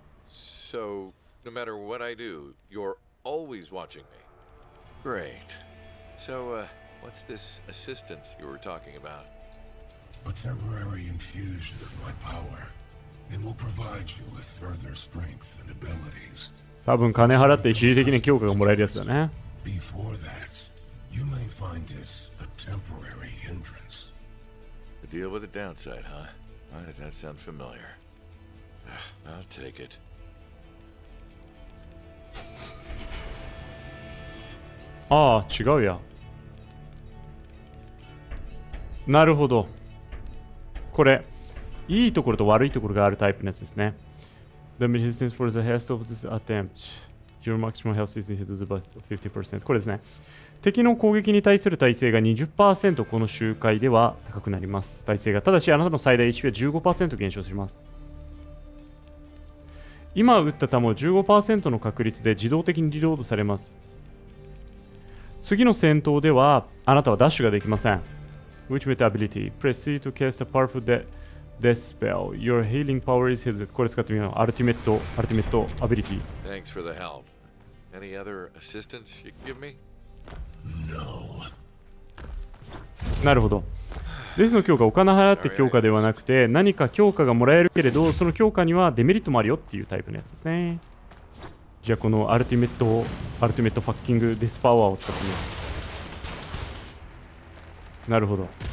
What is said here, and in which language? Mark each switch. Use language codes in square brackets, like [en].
[en] So, no matter what I do, you're. Always watching me. Great. So, what's this assistance you were talking about? A temporary infusion of my power. It will provide you with further strength and abilities. [ja] 多分金払って一時的に強化がもらえるやつだね。 [en] Before that, you may find this a temporary hindrance. A deal with a downside, huh? Why does that sound familiar? I'll take it. [ja] ああ、違うや。なるほど。これ、いいところと悪いところがあるタイプのやつですね。 [en] The resistance for the rest of this attempt. Your maximum health is hit by 50%。 [ja] これですね。敵の攻撃に対する耐性が 20% この周回では高くなります。耐性が、ただしあなたの最大 HP は 15% 減少します。今撃った弾は 15% の確率で自動的にリロードされます。次の戦闘ではあなたはダッシュができません。 [en] Ultimate Ability Press C to cast a powerful death spell. Your healing power is hidden. [ja] これ使ってみよう。アルティメットアビリティ。 [en] Thanks for the help. Any other assistance you can give me? No. [ja] なるほど。レースの強化、お金払って強化ではなくて、何か強化がもらえるけれど、その強化にはデメリットもあるよっていうタイプのやつですね。じゃあこのアルティメットファッキングデスパワーを使ってみよう。なるほど。